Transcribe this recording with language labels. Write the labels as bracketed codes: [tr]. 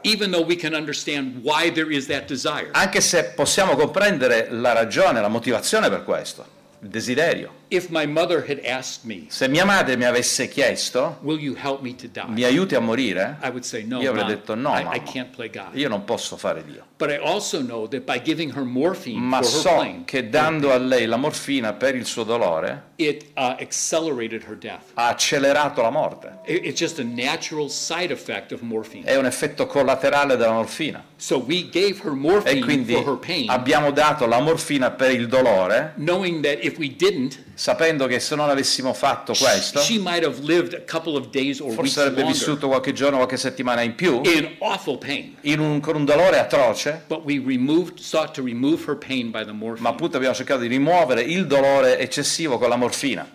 [en] Even though we can understand why there is that desire. [it] Anche se possiamo comprendere la ragione, la motivazione per questo, il desiderio. [en] If my mother had asked me, [it] se mia madre mi avesse chiesto, [en] will you help me to die? [it] Mi aiuti a morire? [en] I would say no. [it] Io avrei [en] mom, [it] detto no, mamma. [en] I can't play God. [it] Io non posso fare Dio. [en] But I also know that by giving her morphine [it] ma [en] for so her pain, [it] che dando a lei la morfina per il suo dolore, [en] it accelerated her death. [it] Ha accelerato la morte. [en] It's just a natural side effect of morphine. [it] È un effetto collaterale della morfina. [en] So we gave her morphine [it] e quindi [en] for her pain, [it] abbiamo dato la morfina per il dolore, [en] knowing that if we didn't, [it] sapendo che se non avessimo fatto questo, [en] she might have lived a couple of days or [it] forse avrebbe vissuto qualche giorno, qualche settimana in più, [en] in awful pain, [it] con un dolore atroce. [en] But we sought to remove her pain by the morphine. [it] Ma appunto abbiamo cercato di rimuovere il dolore eccessivo con la morfina,